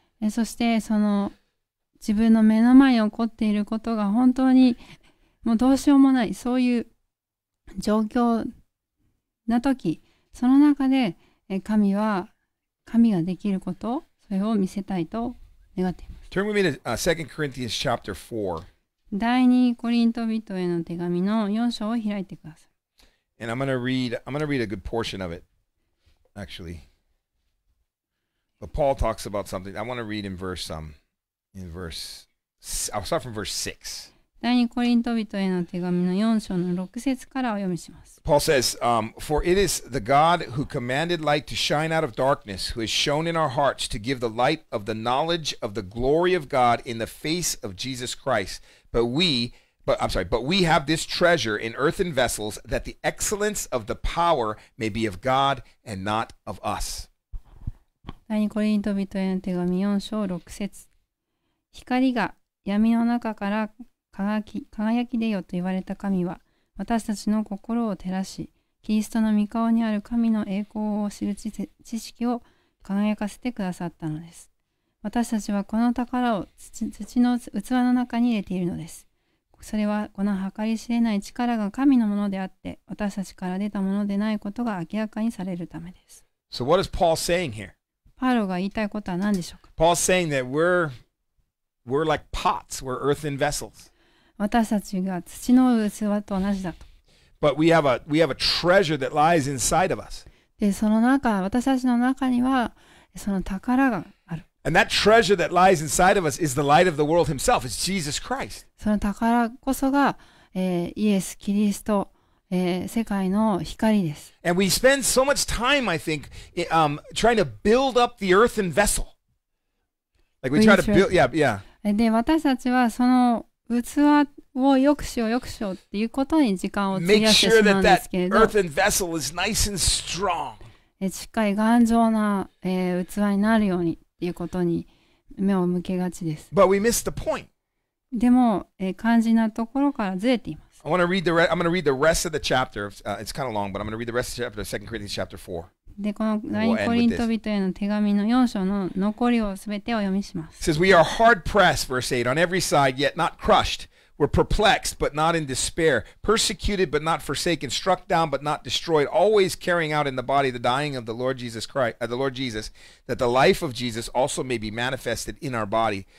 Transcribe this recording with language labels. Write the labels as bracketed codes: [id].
[ja] そしてその自分の目の前に起こっていることが本当にもうどうしようもないそういう状況な時その中で神ができることそれを見せたいと願っています。 [en] Turn with me to 2 Corinthians chapter 4. [ja] 第2コリント人への手紙の4章を開いてください。 [en] And I'm gonna read a good portion of it, actually. But Paul talks about something. I want to read in verse some. I'll start from verse 6. [ja] 第2コリント人への手紙の4章の6節からお読みします。 [en] Paul says, For it is the God who commanded light to shine out of darkness, who has shown in our hearts to give the light of the knowledge of the glory of God in the face of Jesus Christ. But we have this treasure in earthen vessels, that the excellence of the power may be of God and not of us. [ja] 第2コリント人への手紙4章6節。光が闇の中から輝き出よと言われた神は、私たちの心を照らし、キリストの御顔にある神の栄光を知る知識を輝かせてくださったのです。私たちはこの宝を土の器の中に入れているのです。それはこの計り知れない力が神のものであって、私たちから出たものでないことが明らかにされるためです。 [en] So what is Paul saying here? [ja] パウロが言いたいことは何でしょうか? [en] Paul's saying that we're like pots, we're earthen vessels. [ja] 私たちが土の器と同じだと。 [en] But we have a treasure that lies inside of us. [ja] で、その中、私たちの中にはその宝がある。 [en] And that treasure that lies inside of us is the light of the world himself, it's Jesus Christ. [ja] その宝こそが、イエス・キリスト、世界の光です。 [en] And we spend so much time, I think, trying to build up the earthen vessel. Like we try to build, yeah, yeah. [ja] で、私たちはその器を良くしようっていうことに時間を費やしてしまうんですけれど。 [en] Make sure that earthen vessel is nice and strong. [ja] しっかり頑丈な、器になるようにっていうことに目を向けがちです。 [en] But we miss the point. [ja] でも、肝心なところからずれています。 [en] I want to read I'm going to read the rest of the chapter. It's kind of long, but I'm going to read the rest of the chapter, 2 Corinthians chapter 4. [ja] でこの第2コリント人への手紙の4章の残りをすべてお読みします。 [en] It says we are hard pressed, verse 8, on every side, yet not crushed. We're perplexed, but not in despair. Persecuted, but not forsaken. Struck down, but not destroyed. Always carrying out in the body the dying of the Lord Jesus Christ, the Lord Jesus, that the life of Jesus also may be manifested in our body.